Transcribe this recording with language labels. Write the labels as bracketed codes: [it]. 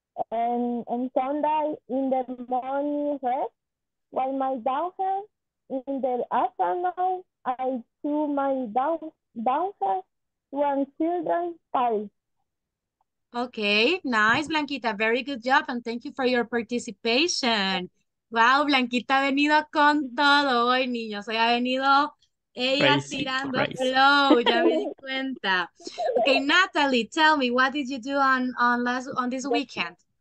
[en] And Sunday in the morning, while my daughter in the afternoon, I took my daughter to a children's party. Okay, nice, Blanquita. Very good job, and thank you for your participation. [es] Wow, Blanquita ha venido con todo hoy, niños. Hoy ha venido ella [en] crazy, [es] tirando [en] crazy. [es] Flow, ya me di cuenta. [en] Okay, Natalie, tell me, what did you do on this weekend?